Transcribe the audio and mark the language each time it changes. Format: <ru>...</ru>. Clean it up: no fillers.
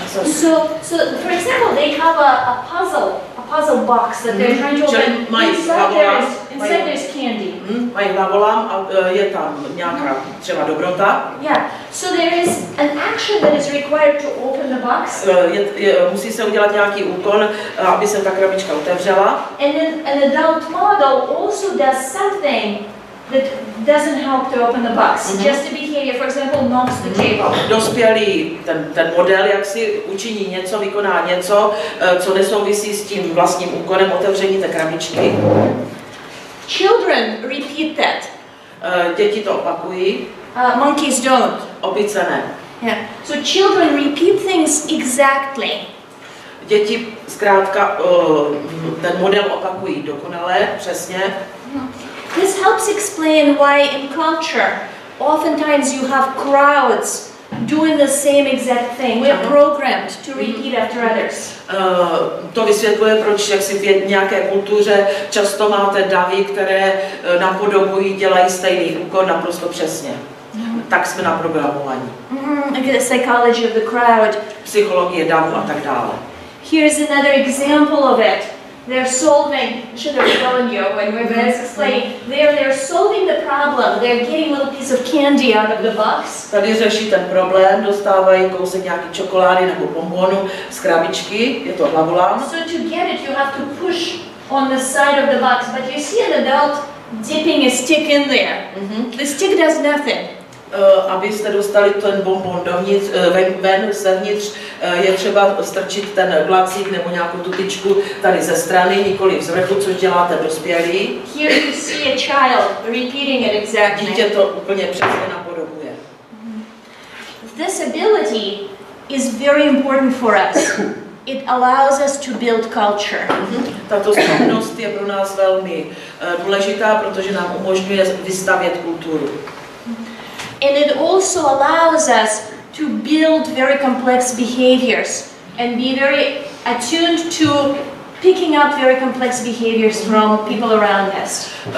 <en>So for example, they have a puzzle box that they're trying to open. Inside there's candy.</en> <cs>Mají hlavolam a je tam nějaká třeba dobrota.</cs> <en>Yeah. So there is an action that is required to open the box.</en> <cs>Musí se udělat nějaký úkon, aby se ta krabička otevřela.</cs> <en>And then an adult model also does something that doesn't help to open the box. Just the behavior, for example, knocks the table.</en> <cs>Dospělý ten model jaksi učiní něco, vykoná něco, co nesouvisí s tím vlastním úkonem otevření té krabičky.</cs> <en>Children repeat that.</en> <cs>Děti to opakují.</cs> <en>Monkeys don't.</en> <cs>Opice ne.</cs> <en>Yeah. So children repeat things exactly.</en> <cs>Děti zkrátka ten model opakují dokonale, přesně.</cs> <en>This helps explain why in culture, oftentimes you have crowds doing the same exact thing. We are programmed to repeat after others.</en> <cs>To vysvětluje, proč jaksi v nějaké kultuře často máte davy, které napodobují, dělají stejný úkon naprosto přesně. Tak jsme naprogramovaní.</cs> <en>The psychology of the crowd.</en> <cs>Psychologie davu a tak dále.</cs> <en>Here's another example of it. They're solving, I should have shown you when we were explaining. They're solving the problem. They're getting a little piece of candy out of the box.</en> <cs>Tady řeší ten problém, dostávají kousek nějaký čokolády nebo bonbonu z krabičky, je to hlavolám.</cs> <en>So to get it, you have to push on the side of the box, but you see an adult dipping a stick in there. The stick does nothing.</en> <cs>Abyste dostali ten bonbon dovnitř, ven, zevnitř, je třeba strčit ten glacík nebo nějakou tutičku tady ze strany, nikoli z vrchu, což děláte dospělí.</cs> <en>Here you see a child repeating it exactly.</en> <cs>Dítě to úplně přesně napodobuje.</cs> <en>This ability is very important for us. It allows us to build culture.</en> <cs>Tato schopnost je pro nás velmi důležitá, protože nám umožňuje vystavět kulturu.</cs> <en>And it also allows us to build very complex behaviors and be very attuned to picking up very complex behaviors from people around us.</en>